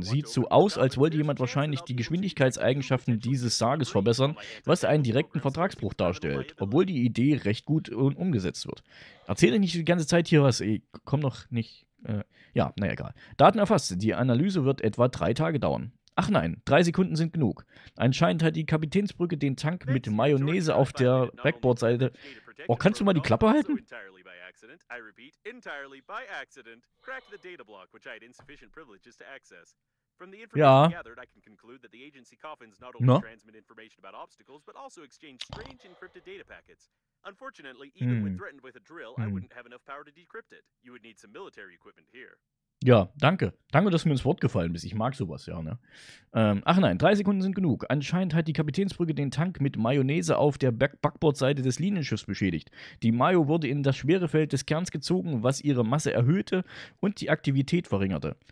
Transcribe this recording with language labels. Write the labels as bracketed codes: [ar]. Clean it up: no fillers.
[de] Sieht so aus, als wollte jemand wahrscheinlich die Geschwindigkeitseigenschaften dieses Sarges verbessern, was einen direkten Vertragsbruch darstellt, obwohl die Idee recht gut umgesetzt wird. Erzähle nicht die ganze Zeit hier was, ey. Komm doch nicht. Egal. Daten erfasst. Die Analyse wird etwa 3 Tage dauern. Ach nein, 3 Sekunden sind genug. Anscheinend hat die Kapitänsbrücke den Tank mit Mayonnaise auf der Backboard-Seite. Oh, kannst du mal die Klappe halten? [en] I repeat, entirely by accident, cracked the data block, which I had insufficient privileges to access. From the information gathered, I can conclude that the agency coffins not only transmit information about obstacles, but also exchange strange encrypted data packets. Unfortunately, even when threatened with a drill, I wouldn't have enough power to decrypt it. You would need some military equipment here. [de] Ja, danke. Danke, dass du mir ins Wort gefallen bist. Ich mag sowas, ja, ne? 3 Sekunden sind genug. Anscheinend hat die Kapitänsbrücke den Tank mit Mayonnaise auf der Backbordseite des Linienschiffs beschädigt. Die Mayo wurde in das Schwerefeld des Kerns gezogen, was ihre Masse erhöhte und die Aktivität verringerte.